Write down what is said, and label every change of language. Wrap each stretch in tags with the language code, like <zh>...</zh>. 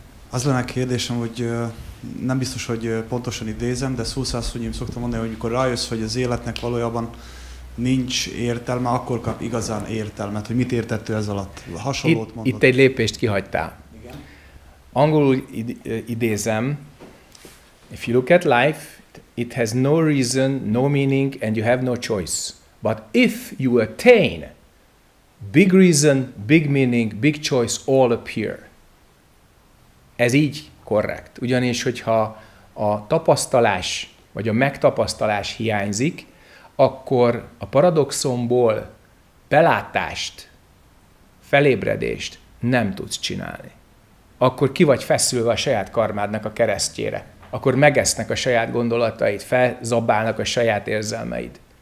<hu>Az lenne a kérdésem, hogy nem biztos, hogy pontosan idézem, de szószászonyim szoktam mondani, hogy amikor rájössz, hogy az életnek valójában nincs értelme, akkor kap igazán értelmet, hogy mit értettél ez alatt. Hasonlót mondod. Itt egy lépést kihagytál. Igen. Angolul idézem,</hu> <en>if you look at life, it has no reason, no meaning, and you have no choice. But if you attain, big reason, big meaning, big choice all appear.</en> <hu>Ez így korrekt. Ugyanis, hogyha a tapasztalás, vagy a megtapasztalás hiányzik, akkor a paradoxonból belátást, felébredést nem tudsz csinálni. Akkor ki vagy feszülve a saját karmádnak a keresztjére. Akkor megesznek a saját gondolataid, felzabálnak a saját érzelmeid.</hu>